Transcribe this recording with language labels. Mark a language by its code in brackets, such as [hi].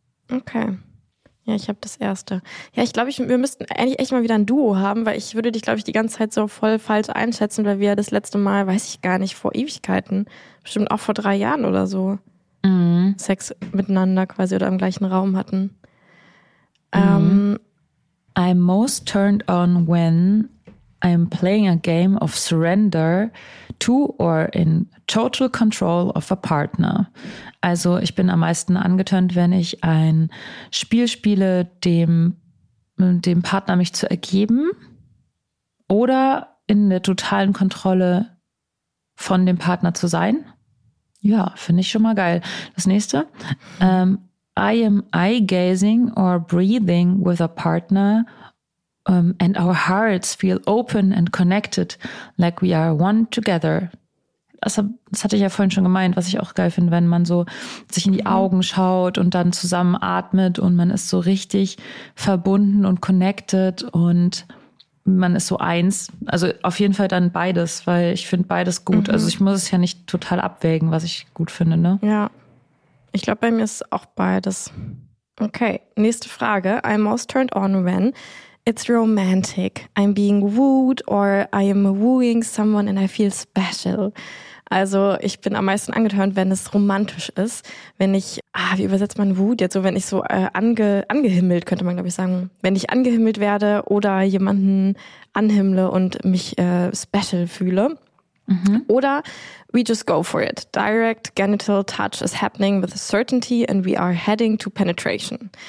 [de] Okay. Ja, ich habe das Erste. Ja, ich glaube, wir müssten eigentlich echt mal wieder ein Duo haben, weil ich würde dich, glaube ich, die ganze Zeit so voll falsch einschätzen, weil wir das letzte Mal, weiß ich gar nicht, vor Ewigkeiten, bestimmt auch vor 3 Jahren oder so, Sex miteinander quasi oder im gleichen Raum hatten. [en] I'm most turned on when I'm playing a game of surrender to or in total control of a partner. [de] Also ich bin am meisten angetönt, wenn ich ein Spiel spiele, dem Partner mich zu ergeben oder in der totalen Kontrolle von dem Partner zu sein. Ja, finde ich schon mal geil. Das nächste. [en] I am eye-gazing or breathing with a partner and our hearts feel open and connected like we are one together. [de] Das hatte ich ja vorhin schon gemeint, was ich auch geil finde, wenn man so sich in die Augen schaut und dann zusammen atmet und man ist so richtig verbunden und connected und man ist so eins. Also auf jeden Fall dann beides, weil ich finde beides gut. Also ich muss es ja nicht total abwägen, was ich gut finde, ne? Ja. Ich glaube, bei mir ist auch beides. Okay, nächste Frage. [en] I'm most turned on when it's romantic. I'm being wooed or I am wooing someone and I feel special. [de] Also ich bin am meisten angetönt, wenn es romantisch ist. Wenn ich, wie übersetzt man Wut jetzt so? Wenn ich so angehimmelt, könnte man glaube ich sagen. Wenn ich angehimmelt werde oder jemanden anhimmle und mich special fühle. [en] Oder we just go for it. Direct genital touch is happening with certainty and we are heading to penetration.